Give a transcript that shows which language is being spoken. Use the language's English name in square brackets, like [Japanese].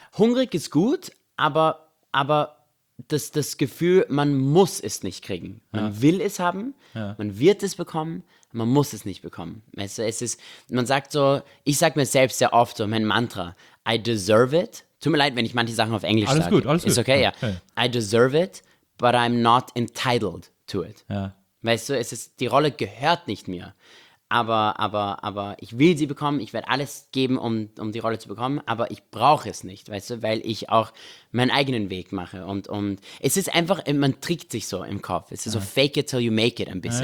[German] Hungrig ist gut, aber das Gefühl, man muss es nicht kriegen. Man will es haben, man wird es bekommen, man muss es nicht bekommen. Weißt du, es ist, man sagt so, ich sag mir selbst sehr oft so, mein Mantra, [English] I deserve it. [German] Tut mir leid, wenn ich manche Sachen auf Englisch alles sage. Alles gut, alles ist gut. Ist okay, ja. [English] I deserve it, but I'm not entitled to it. [German] Ja. Weißt du, es ist, die Rolle gehört nicht mir. Aber ich will sie bekommen, ich werde alles geben, um die Rolle zu bekommen, aber ich brauche es nicht, weißt du, weil ich auch meinen eigenen Weg mache. Und es ist einfach, man trickt sich so im Kopf. Es ist so [English] fake it till you make it [German] ein bisschen.